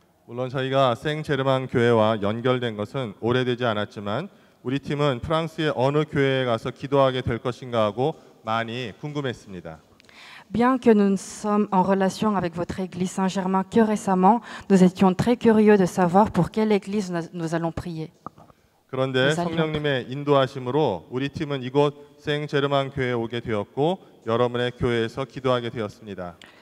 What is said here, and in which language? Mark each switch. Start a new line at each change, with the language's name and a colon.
Korean: 물론 저희가 생제르만 교회와 연결된 것은 오래되지 않았지만 우리 팀은 프랑스의 어느 교회에 가서 기도하게 될 것인가 하고 많이 궁금했습니다.
French: Bien que nous sommes en relation avec votre église Saint-Germain que récemment, nous étions très curieux de savoir pour quelle église nous allons prier.
Korean: 그런데 성령님의 인도하심으로 우리 팀은 이곳 생제르만 교회에 오게 되었고 여러분의 교회에서 기도하게 되었습니다.